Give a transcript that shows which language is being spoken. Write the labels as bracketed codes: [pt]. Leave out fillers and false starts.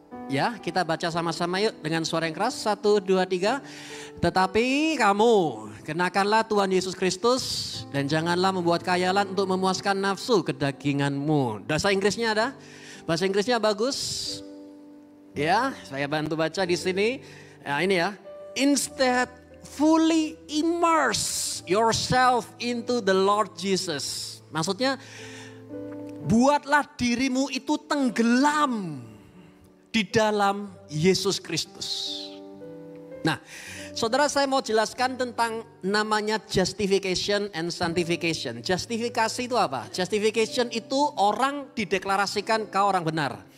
[id] Ya, kita baca sama-sama yuk dengan suara yang keras. 1, 2, 3. Tetapi kamu kenakanlah Tuhan Yesus Kristus Dan janganlah membuat khayalan untuk memuaskan nafsu kedaginganmu. Bahasa Inggrisnya ada? Bahasa Inggrisnya bagus? Ya, saya bantu baca di sini. Ya, ini ya. [en] Instead, fully immerse yourself into the Lord Jesus. [id] Maksudnya, buatlah dirimu itu tenggelam di dalam Yesus Kristus. Nah, saudara, saya mau jelaskan tentang namanya [en] justification and sanctification. [id] Justifikasi itu apa? Justification itu orang dideklarasikan kau orang benar.